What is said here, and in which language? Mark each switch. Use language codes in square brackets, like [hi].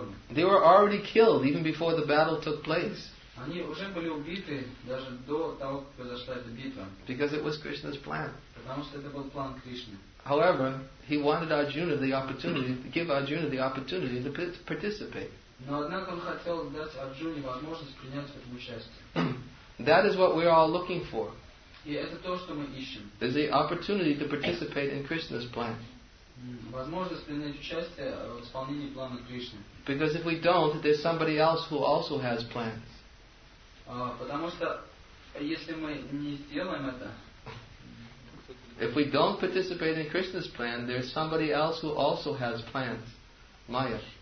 [en] They were already killed even before the battle took place. [ru] Они уже были убиты даже до того, как произошла эта битва. [en] Because it was Krishna's plan. [ru] Потому что это был план Кришны. [en] However, he wanted Arjuna the opportunity, give Arjuna the opportunity to participate. [ru] Но однако он хотел дать Арджуне возможность принять в этом участие. [en] That is what we are all looking for. [ru] И это то, что мы ищем. [en] There's the opportunity to participate in Krishna's plan. [ru] Возможность принять участие в исполнении плана Кришны. [en] Because if we don't, there's somebody else who also has plans. [ru] Потому что если мы не сделаем это, [en] if we don't participate in Krishna's plan, there's somebody else who also has plans. Maya.